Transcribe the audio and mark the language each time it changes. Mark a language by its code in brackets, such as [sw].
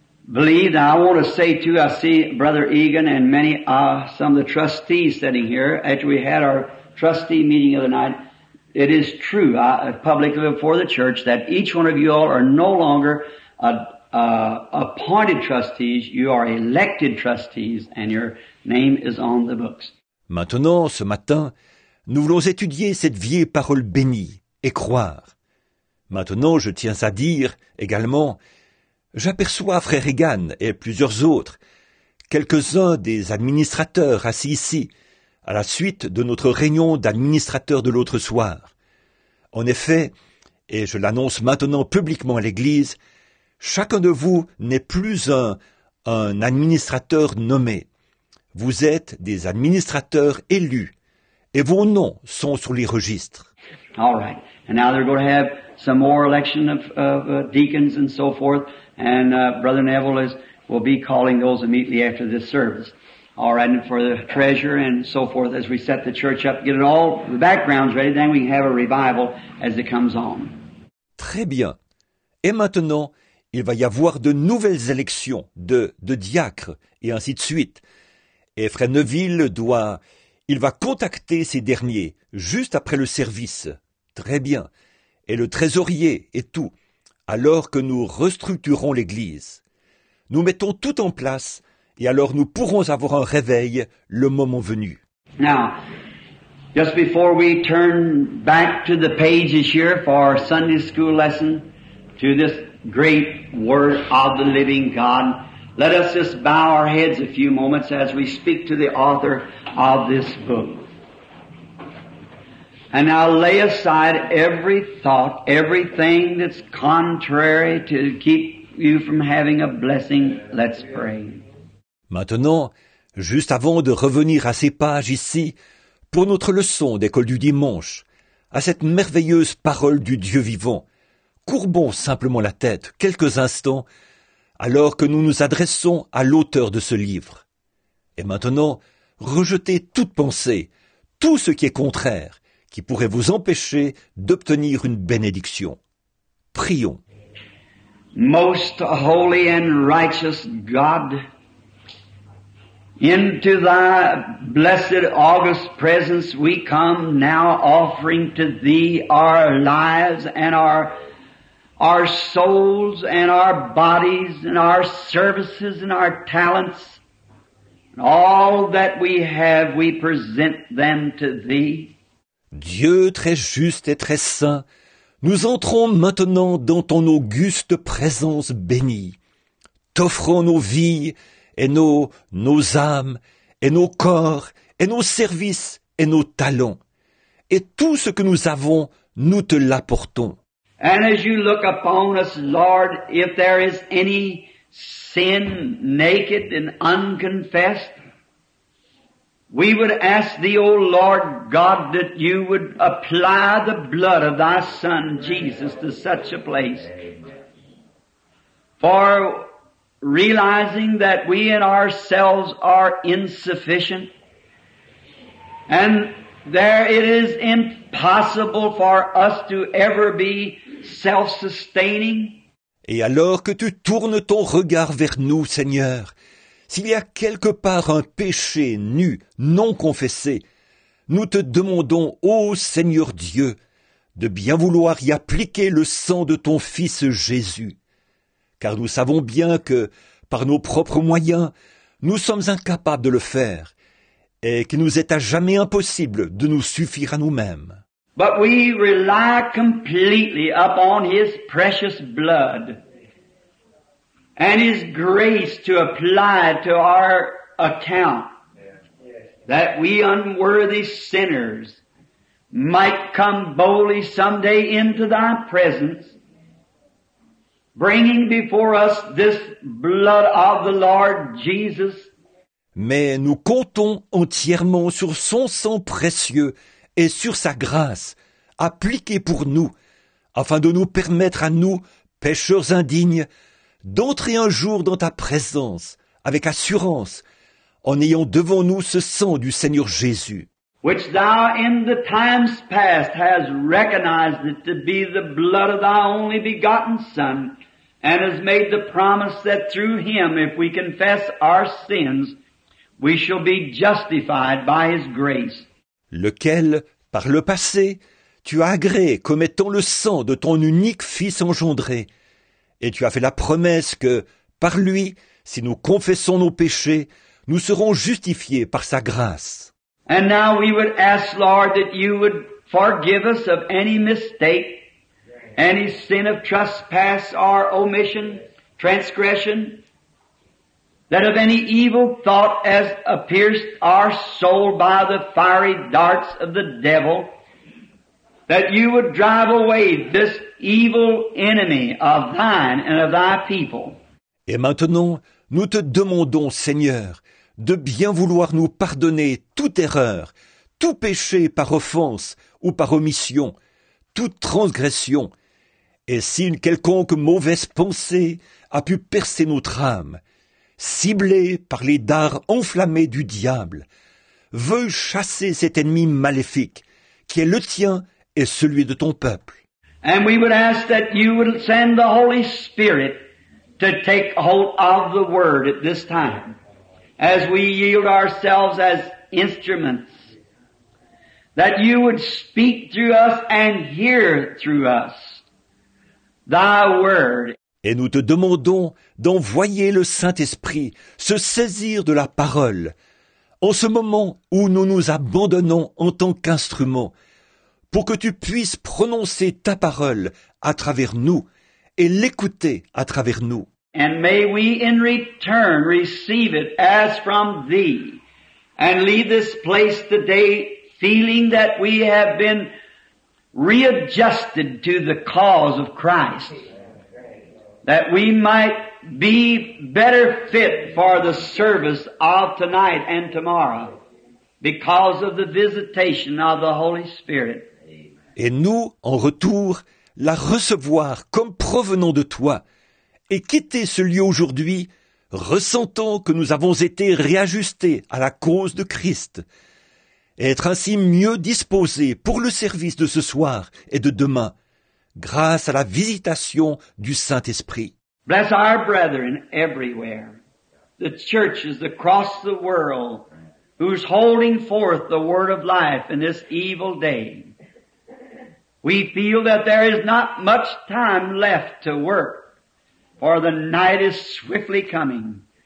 [en] believe that I want to say too, I see Brother Egan and many, some of the trustees sitting here after we had our trustee meeting the other night. It is true, publicly before the church, that each one of you all are no longer appointed trustees, you are elected trustees, and your name is on the books. [fr] Maintenant, ce matin, nous voulons étudier cette vieille parole bénie et croire. Maintenant, je tiens à dire également, j'aperçois Frère Egan et plusieurs autres, quelques-uns des administrateurs assis ici, à la suite de notre réunion d'administrateurs de l'autre soir. En effet, et je l'annonce maintenant publiquement à l'Église, chacun de vous n'est plus un administrateur nommé. Vous êtes des administrateurs élus, et vos noms sont sur les registres. [en] All right. And now they're going to have some more election of deacons and so forth, and Brother Neville will be calling those immediately after this service. All right, and for the treasure and so forth, as we set the church up, get it all, the backgrounds ready, then we can have a revival as it comes on. [fr] Très bien. Et maintenant, il va y avoir de nouvelles élections de diacres, et ainsi de suite. Et Frère Neville va contacter ces derniers, juste après le service. Très bien. Et le trésorier et tout, alors que nous restructurons l'Église. Nous mettons tout en place, et alors nous pourrons avoir un réveil le moment venu. [en] Now, just before we turn back to the pages here for our Sunday school lesson, to this great word of the living God, let us just bow our heads a few moments as we speak to the author of this book. And now lay aside every thought, everything that's contrary to keep you from having a blessing. Let's pray. [fr] Maintenant, juste avant de revenir à ces pages ici, pour notre leçon d'école du dimanche, à cette merveilleuse parole du Dieu vivant, courbons simplement la tête quelques instants alors que nous nous adressons à l'auteur de ce livre. Et maintenant, rejetez toute pensée, tout ce qui est contraire, qui pourrait vous empêcher d'obtenir une bénédiction. Prions. [en] Most holy and righteous God, into thy blessed august presence we come now offering to thee our lives and our souls and our bodies and our services and our talents. And all that we have, we present them to thee. [fr] Dieu très juste et très saint, nous entrons maintenant dans ton auguste présence bénie. T'offrons nos vies et nos âmes et nos corps et nos services et nos talents. Et tout ce que nous avons, nous te l'apportons. [en] And as you look upon us, Lord, if there is any sin naked and unconfessed, we would ask thee, O Lord God, that you would apply the blood of thy Son, Jesus, to such a place. For realizing that we in ourselves are insufficient, and there it is impossible for us to ever be self-sustaining. [fr] Et alors que tu tournes ton regard vers nous, Seigneur, s'il y a quelque part un péché nu, non confessé, nous te demandons, ô Seigneur Dieu, de bien vouloir y appliquer le sang de ton Fils Jésus. Car nous savons bien que, par nos propres moyens, nous sommes incapables de le faire, et qu'il nous est à jamais impossible de nous suffire à nous-mêmes. [en] But we rely completely upon his precious blood and his grace to apply to our account, that we unworthy sinners might come boldly someday into thy presence, bringing before us this blood of the Lord Jesus. [fr] Mais nous comptons entièrement sur son sang précieux et sur sa grâce, appliquée pour nous, afin de nous permettre à nous, pécheurs indignes, d'entrer un jour dans ta présence, avec assurance, en ayant devant nous ce sang du Seigneur Jésus. [en] Which thou in the times past has recognized it to be the blood of thy only begotten Son, and has made the promise that through him, if we confess our sins, we shall be justified by his grace. [fr] Lequel, par le passé, tu as agréé commettant le sang de ton unique Fils engendré, et tu as fait la promesse que, par lui, si nous confessons nos péchés, nous serons justifiés par sa grâce. [en] And now we would ask, Lord, that you would forgive us of any mistake, any sin of trespass or omission, transgression, that of any evil thought as pierced our soul by the fiery darts of the devil, that you would drive away this evil enemy of thine and of thy people. [fr] Et maintenant, nous te demandons, Seigneur, de bien vouloir nous pardonner toute erreur, tout péché par offense ou par omission, toute transgression, et si une quelconque mauvaise pensée a pu percer notre âme, ciblée par les dards enflammés du diable, veuille chasser cet ennemi maléfique qui est le tien et celui de ton peuple. [en] And we would ask that you would send the Holy Spirit to take hold of the word at this time, as we yield ourselves as instruments, that you would speak through us and hear through us thy word. [fr] Et nous te demandons d'envoyer le Saint-Esprit se saisir de la parole en ce moment où nous nous abandonnons en tant qu'instrument, pour que tu puisses prononcer ta parole à travers nous et l'écouter à travers nous. [en] And may we in return receive it as from thee, and leave this place today feeling that we have been readjusted to the cause of Christ, that we might be better fit for the service of tonight and tomorrow because of the visitation of the Holy Spirit. [fr] Et nous, en retour, la recevoir comme provenant de toi, et quitter ce lieu aujourd'hui, ressentant que nous avons été réajustés à la cause de Christ, et être ainsi mieux disposés pour le service de ce soir et de demain, grâce à la visitation du Saint-Esprit. [en] Bless our brethren everywhere, the churches across the world, who's holding forth the word of life in this evil day. We feel that there is not much time left to work, for the night is swiftly coming.